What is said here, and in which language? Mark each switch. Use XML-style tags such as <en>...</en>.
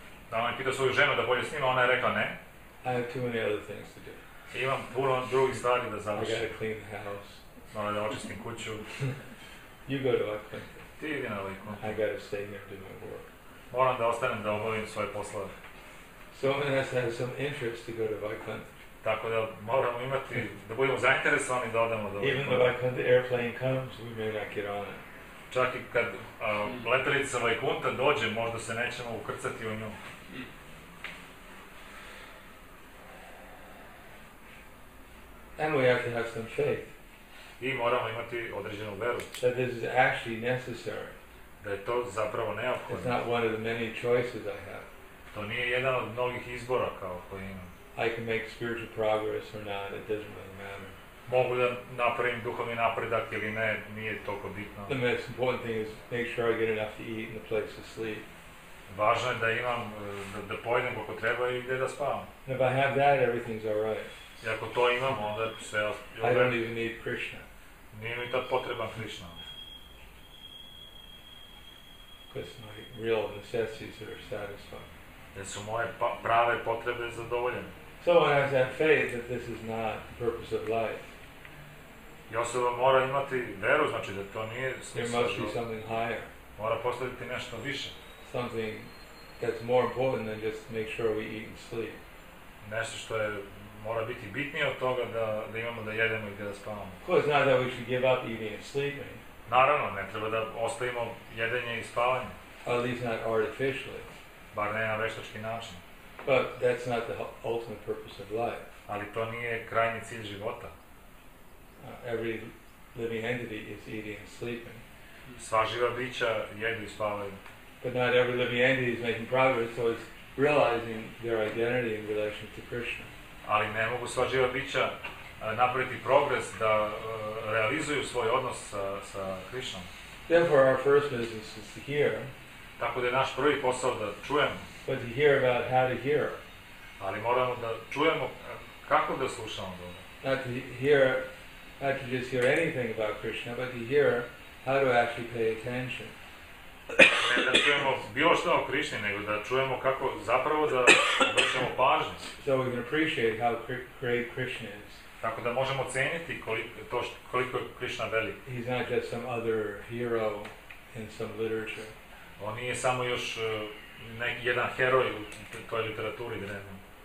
<sr>Da, on je pitao svoju ženu da pođe s njima, ona je rekla ne.</sr> <en>I have too many other things to do.</en> <sr>Imam puno drugih stvari da završim.</sr> <en>I gotta clean the house.</en> <sr>Moram da očistim kuću.</sr> <en>You go to Vaikuntha.</en> <sr>Ti idi na Vaikuntha.</sr> <en>I gotta stay here to do my work.</en> <sr>Moram da ostanem da obavim svoje poslove.</sr> <en>So one has to have some interest to go to Vaikuntha.</en> <sr>Tako da moramo imati, da budemo zainteresovani da odemo do Vaikuntha.</sr> <en>Even though the airplane comes, we may not get on it.</en> <sr>Čak i kad letelica Vaikuntha dođe, možda se nećemo ukrcati u nju.</sr> <en>And we have to have some faith.</en> <sr>I moramo imati određenu veru.</sr> <en>That this is actually necessary.</en> <sr>Da je to zapravo neophodno.</sr> <en>It's not one of the many choices I have.</en> <sr>To nije jedan od mnogih izbora kao koji imam.</sr> <en>I can make spiritual progress or not, it doesn't really matter.</en> <sr>Mogu da napravim duhovni napredak ili ne, nije toliko bitno.</sr> <en>The most important thing is make sure I get enough to eat and a place to sleep.</en> <sr>Važno je da imam, da pojedem kako treba i gdje da spavam.</sr> <en>And if I have that, everything's all right.</en> <sr>I ako to imam, onda sve...</sr> <en>I don't even need Krishna.</en> <sr>Nije mi tad potreba Krishna.</sr> <en>Because my real necessities are satisfied.</en> <sr>Jer su moje prave potrebe zadovoljene.</sr> <en>So one has that faith that this is not the purpose of life.</en> <sr>I osoba mora imati veru, znači da to nije smisla. Mora postaviti nešto više.</sr> <en>Something that's more important than just make sure we eat and sleep.</en> <sr>Nešto što je, mora biti bitnije od toga da, da imamo da jedemo i da spavamo.</sr> <en>Of course not that we should give up eating and sleeping.</en> <sr>Naravno, ne treba da ostavimo jedenje i spavanje.</sr> <en>At least not artificially.</en> <sr>Bar ne na veštački način.</sr> <en>But that's not the ultimate purpose of life.</en> <sr>Ali to nije krajnji cilj života.</sr> <en>Every living entity is eating and sleeping.</en> <sr>Sva živa bića jedu i spavaju.</sr> <en>But not every living entity is making progress, so it's realizing their identity in relation to Krishna.</en> <sr>Ali ne mogu sva živa bića napraviti progres da realizuju svoj odnos sa, sa Krishnom.</sr> <en>Therefore, our first business is to hear.</en> <sr>Tako da je naš prvi posao da čujemo.</sr> <en>But to hear about how to hear.</en> <sr>Ali moramo da čujemo kako da slušamo dobro.</sr> <en>Not to hear, not to just hear anything about Krishna, but to hear how to actually pay attention.</en> <sr>Ne da čujemo bilo što o Krišni, nego da čujemo kako zapravo da obraćamo pažnju.</sr> <en>So we can appreciate how great Krishna is.</en> <sr>Tako da možemo ceniti to koliko je Krišna velik.</sr> <en>He's not just some other hero in some literature.</en> <sr>On nije samo još neki jedan heroj u toj literaturi drevno.</sr>